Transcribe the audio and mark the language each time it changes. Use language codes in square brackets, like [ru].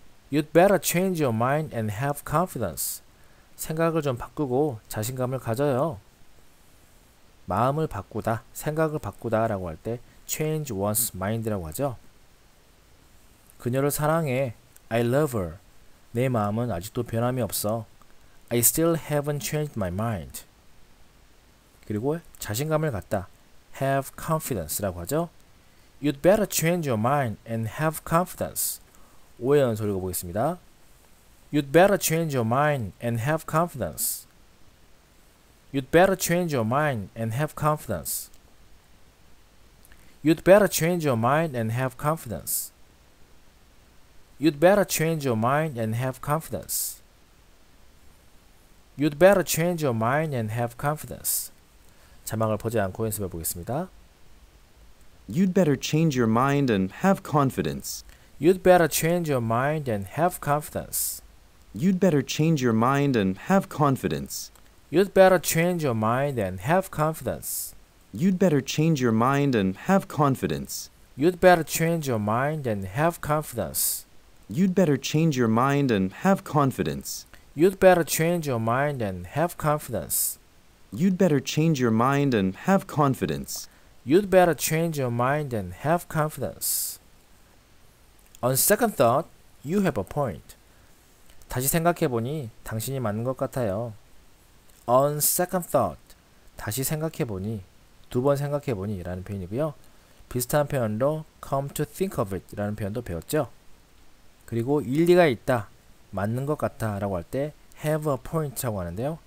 [en] You'd better change your mind and have confidence. [ko] 생각을 좀 바꾸고 자신감을 가져요. 마음을 바꾸다, 생각을 바꾸다 라고 할 때 [en] change one's mind [ko] 라고 하죠. 그녀를 사랑해. [en] I love her. [ko] 내 마음은 아직도 변함이 없어. [en] I still haven't changed my mind. [ko] 그리고 자신감을 갖다. [en] Have confidence [ko] 라고 하죠. [en] You'd better change your mind and have confidence. [ko] 5회 연속 읽어보겠습니다. [en] You'd better change your mind and have confidence. You'd better change your mind and have confidence. You'd better change your mind and have confidence. You'd better change your mind and have confidence. You'd better change your mind and have confidence. [ko] 자막을 보지 않고 연습해 보겠습니다. [en] You'd better change your mind and have confidence. You'd better change your mind and have confidence. You'd better change your mind and have confidence. You'd better change your mind and have confidence. You'd better change your mind and have confidence. You'd better change your mind and have confidence. You'd better change your mind and have confidence. You'd better change your mind and have confidence. You'd better change your mind and have confidence. You'd better change your mind and have confidence. On second thought, you have a point. [ko] 다시 생각해 보니 당신이 맞는 것 같아요. [en] On second thought, [ko] 다시 생각해 보니, 두 번 생각해 보니 라는 표현이고요. 비슷한 표현으로 [en] come to think of it [ko] 라는 표현도 배웠죠. 그리고 일리가 있다, 맞는 것 같아 라고 할 때 [en] have a point [ko] 라고 하는데요.